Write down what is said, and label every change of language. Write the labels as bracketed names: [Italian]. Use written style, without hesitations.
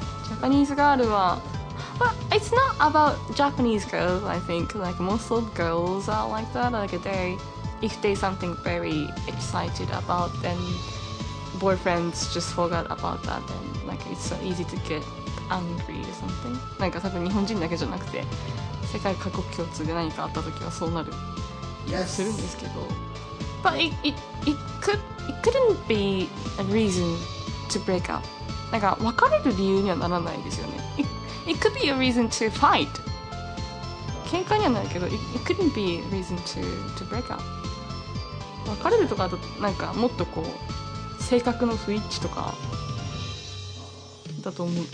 [English] Japanese girl, but it's not about Japanese girls. I think like most of girls are like that. Like they, if they something very excited about, then boyfriends just forget about that. Then like it's so easy to get angry or something. [Japanese] なんか多分日本人だけじゃなくて、世界各国共通で何かあった時はそうなる。 [English] Yes. [Japanese] するんですけど。 [English] But it couldn't be a reason to break up. [Japanese] なんか別れる理由にはならないですよね。 [English] It could be a reason to fight. [Japanese] 喧嘩にはないけど、 [English] it couldn't be a reason to break up. [Japanese] 別れるとかだとなんかもっとこう性格の不一致とかだと思う。